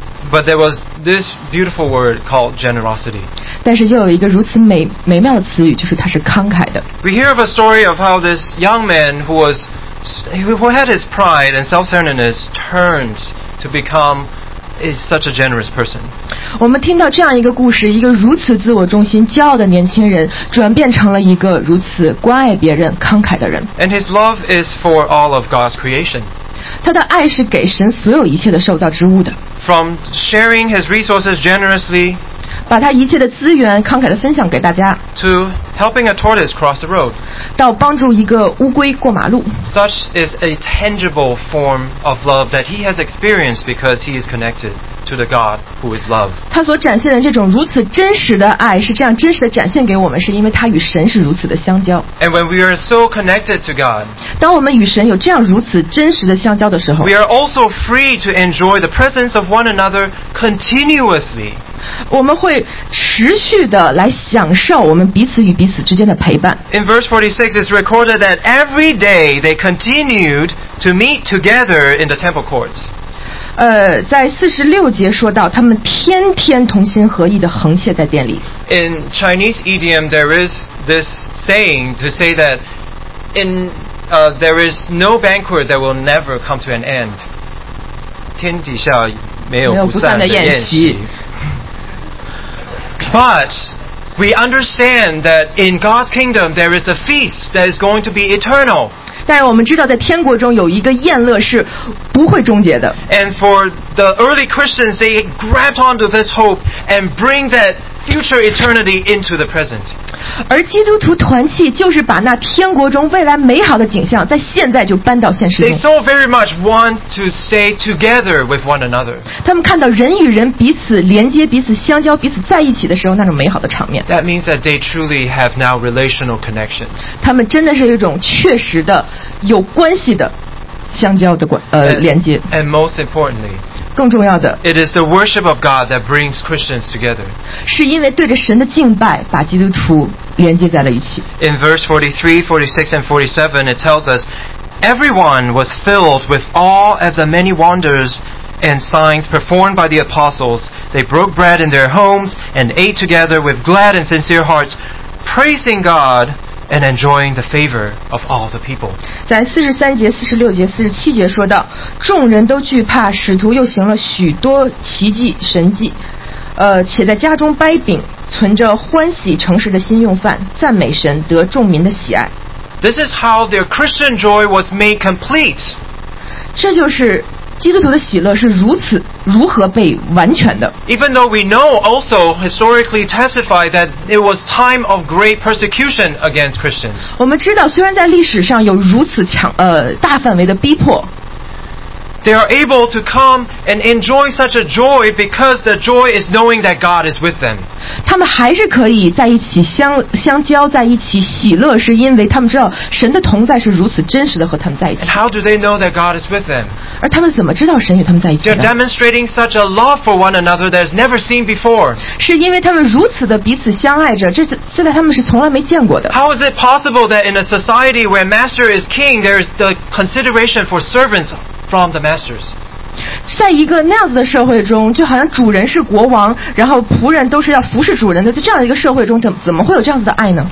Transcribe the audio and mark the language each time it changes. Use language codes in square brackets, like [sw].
[en] But there was this beautiful word called generosity. [zh] 但是又有一个如此美妙的词语，就是它是慷慨的。 [en] We hear of a story of how this young man who had his pride and self-centeredness turned to become is such a generous person. [zh] 我们听到这样一个故事，一个如此自我中心、骄傲的年轻人，转变成了一个如此关爱别人、慷慨的人。 [en] And his love is for all of God's creation. [zh] 他的爱是给神所有一切的受造之物的。 [en] From sharing his resources generously, [zh] 把他一切的资源慷慨地分享给大家。 [en] To helping a tortoise cross the road, [zh] 到帮助一个乌龟过马路。 [en] Such is a tangible form of love that he has experienced because he is connected to the God who is love. [zh] 他所展现的这种如此真实的爱是这样真实的展现给我们，是因为他与神是如此的相交。 [en] And when we are so connected to God, [zh] 当我们与神有这样如此真实的相交的时候， [en] we are also free to enjoy the presence of one another continuously. [zh] 我们会持续的来享受我们彼此与彼此之间的陪伴。 [en] In verse 46, it's recorded that every day they continued to meet together in the temple courts. [zh] 在四十六节说到他们天天同心合意地横切在殿里。 [en] In Chinese idiom there is this saying to say that there is no banquet that will never come to an end. [zh] 天底下没有不散的宴席。 [en] But we understand that in God's kingdom there is a feast that is going to be eternal. [zh] 但我们知道在天国中有一个宴乐是不会终结的。 [en] And for the early Christians, they grabbed onto this hope and bring that future eternity into the present. [zh] 而基督徒团契就是把那天国中未来美好的景象在现在就搬到现实中。 [en] They so very much want to stay together with one another. [zh] 他们看到人与人彼此连接、彼此相交、彼此在一起的时候那种美好的场面。 [en] That means that they truly have now relational connections. [zh] 他们真的是一种确实的有关系的相交的连接。 [en] And most importantly, [zh] 更重要的， [en] it is the worship of God that brings Christians together. [zh] 是因为对着神的敬拜把基督徒连接在了一起。 [en] In verse 43, 46 and 47 it tells us everyone was filled with awe at the many wonders and signs performed by the apostles. They broke bread in their homes and ate together with glad and sincere hearts, praising GodAnd enjoying the favor of all the people. [zh] 在四十三节、四十六节、四十七节说到，众人都惧怕，使徒又行了许多奇迹、神迹，且在家中掰饼，存着欢喜、诚实的心用饭，赞美神，得众民的喜爱。 [en] This is how their Christian joy was made complete. [zh] 这就是基督徒的喜乐是如此如何被完全的。 [en] Even though we know also historically testify that it was time of great persecution against Christians. [zh] 我们知道虽然在历史上有如此强大范围的逼迫， [en] They are able to come and enjoy such a joy because the joy is knowing that God is with them. [zh] 他们还是可以在一起相交在一起喜乐，是因为他们知道神的同在是如此真实的和他们在一起。 [en] And how do they know that God is with them? [zh] 而他们怎么知道神与他们在一起呢？ [en] They're demonstrating such a love for one another that's never seen before. [zh] 是因为他们如此的彼此相爱着，这在他们是从来没见过的。 [en] How is it possible that in a society where master is king, there's the consideration for servants from the masters? [zh] 在一个那样子的社会中，就好像主人是国王，然后仆人都是要服侍主人的，在这样一个社会中，怎么会有这样子的爱呢？